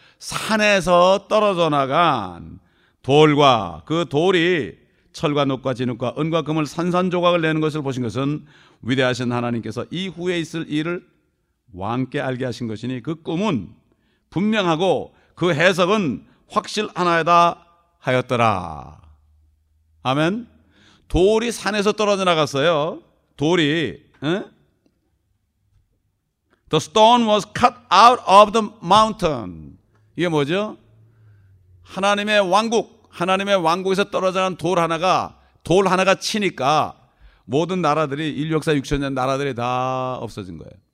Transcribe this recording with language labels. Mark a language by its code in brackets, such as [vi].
[ko] 산에서 떨어져 나간 돌과 그 돌이 철과 녹과 진흙과 은과 금을 산산조각을 내는 것을 보신 것은 위대하신 하나님께서 이후에 있을 일을 왕께 알게 하신 것이니 그 꿈은 분명하고 그 해석은 확실하나이다 하였더라. 아멘. 돌이 산에서 떨어져 나갔어요. 돌이. [en] 응? The stone was cut out of the mountain. [ko] 이게 뭐죠? 하나님의 왕국, 하나님의 왕국에서 떨어져 나간 돌 하나가 치니까 모든 나라들이 인류 역사 6천년 나라들이 다 없어진 거예요.